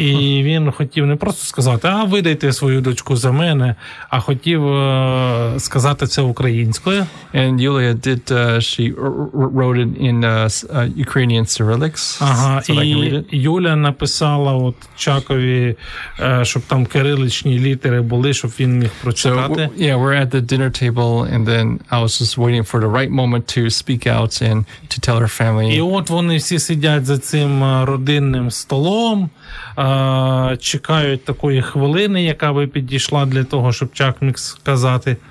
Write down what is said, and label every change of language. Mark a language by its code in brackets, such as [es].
[uk] І він хотів не просто сказати, а видайте свою дочку за мене, а хотів сказати це українською. [en] And Yulia did, she wrote it in Ukrainian Cyrillics, ага, so that I can read it. [uk] І Юля написала от Чакові, щоб там кириличні літери були, щоб він міг прочитати. [en] So, yeah, we're at the dinner table, and then I was just waiting for the right moment to speak out. And to tell her family. [uk] І от вони всі сидять за цим родинним столом, чекають такої хвилини, яка би підійшла для того, щоб Чак міг сказати.